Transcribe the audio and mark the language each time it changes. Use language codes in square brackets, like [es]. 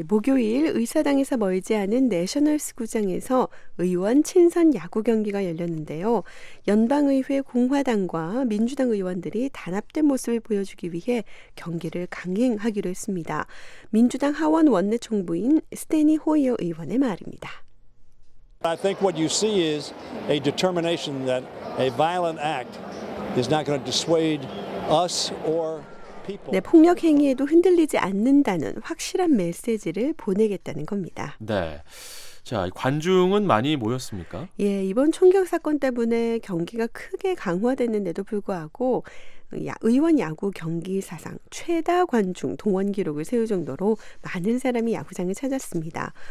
[ko] 목요일 의사당에서 멀지 않은 내셔널스 구장에서 의원 친선 야구 경기가 열렸는데요. 연방의회 공화당과 민주당 의원들이 단합된 모습을 보여주기 위해 경기를 강행하기로 했습니다. 민주당 하원 원내총무인 스테니 호이어 의원의 말입니다. [en] I think what you see is a determination that a violent act is not going to dissuade us or people. [ko] 네, 폭력 행위에도 흔들리지 않는다는 확실한 메시지를 보내겠다는 겁니다. 네. 자, 관중은 많이 모였습니까? 예, 이번 총격 사건 때문에 경기가 크게 강화됐는데도 불구하고 의원 야구 경기 사상 최다 관중 동원 기록을 세울 정도로 많은 사람이 야구장을 찾았습니다.